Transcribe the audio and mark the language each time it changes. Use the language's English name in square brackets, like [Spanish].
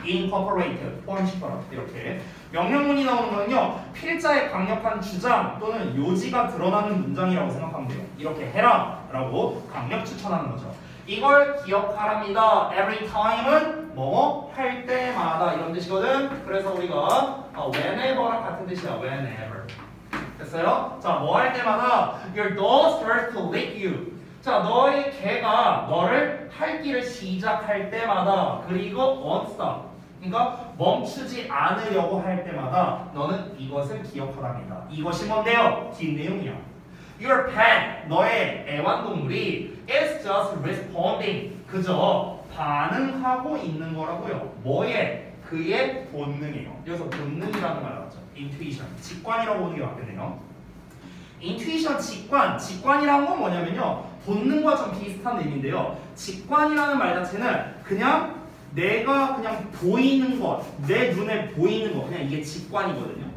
[Korean] Incorporate, 포함시켜라 이렇게. 명령문이 나오는 거는요, 필자의 강력한 주장 또는 요지가 드러나는 문장이라고 생각하면 돼요. 이렇게 해라 라고 강력 추천하는 거죠. 이걸 기억하랍니다. Every time은 뭐뭐 할 때마다 이런 뜻이거든. 그래서 우리가 whenever랑 같은 뜻이야. Whenever. 됐어요? 자, 뭐 할 때마다 [English] your dog starts to lick you. [Korean] 자, 너의 개가 너를 핥기를 시작할 때마다, 그리고 [English] won't stop. [Korean] 그러니까 멈추지 않으려고 할 때마다 너는 이것을 기억하랍니다. 이것이 뭔데요? 긴 내용이야. [English] Your pet, [Korean] 너의 애완동물이 [English] is just responding. [Korean] 그저 반응하고 있는 거라고요. 뭐에? 그의 본능이에요. 여기서 본능이라는 말 나왔죠. Intuition, 직관이라고 보는 게 맞겠네요. Intuition, 직관. 직관이라는 건 뭐냐면요, 본능과 좀 비슷한 의미인데요. 직관이라는 말 자체는 그냥 내가 그냥 보이는 것, 내 눈에 보이는 것, 그냥 이게 직관이거든요.